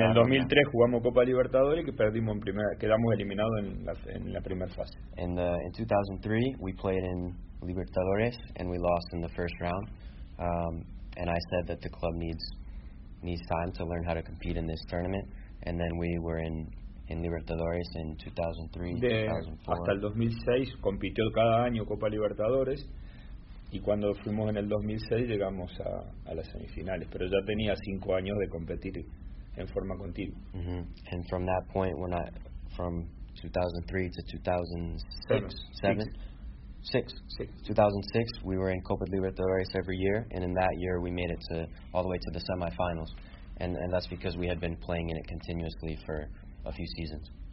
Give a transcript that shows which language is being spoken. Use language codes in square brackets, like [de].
[es] En el 2003 jugamos Copa Libertadores y perdimos en primera, quedamos eliminados en la primera fase. [en] In 2003, we played in Libertadores and we lost in the first round. And I said that the club needs time to learn how to compete in this tournament, and then we were in Libertadores in 2003, 2004. [es] Hasta el 2006 compitió cada año Copa Libertadores, y cuando fuimos en el 2006 llegamos a las semifinales, pero ya tenía 5 años de competir en forma continua. [en] And from that point, from 2003 to 2006, we were in Copa Libertadores every year, and in that year we made it to all the way to the semifinals, and that's because we had been playing in it continuously for a few seasons.